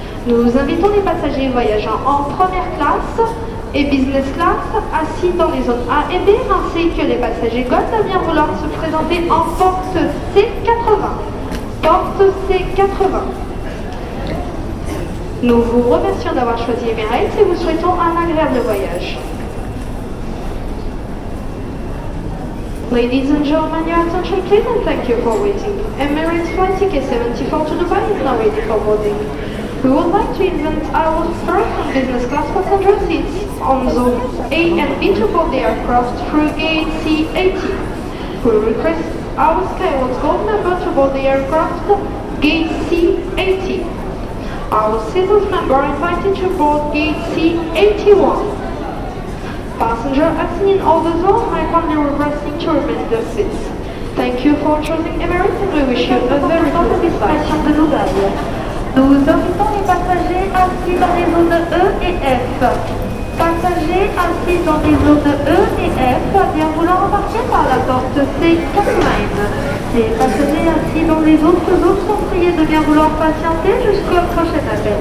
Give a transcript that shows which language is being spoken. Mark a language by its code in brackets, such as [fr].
[fr] Nous invitons les passagers voyageant en première classe et business class assis dans les zones A et B ainsi que les passagers gold à bien vouloir se présenter en porte C80. Porte C80. Nous vous remercions d'avoir choisi Emirates et vous souhaitons un agréable voyage. [en] Ladies and gentlemen, your attention please and thank you for waiting. Emirates Flight TK-74 to Dubai is now ready for boarding. We would like to invite our first and business class passenger seats on zone A and B to board the aircraft through gate C80. We request our Skywards Gold member to board the aircraft gate C80. Our Seasons member invited to board gate C81. Passenger acting in all the zone, I kindly request you to remain the seat. Thank you for choosing Emirates and we wish you a very pleasant flight. [fr] Nous invitons les passagers assis dans les zones E et F. Passagers assis dans les zones E et F, bien vouloir embarquer par la porte C80. Les passagers assis dans les autres zones sont priés de bien vouloir patienter jusqu'au prochain appel.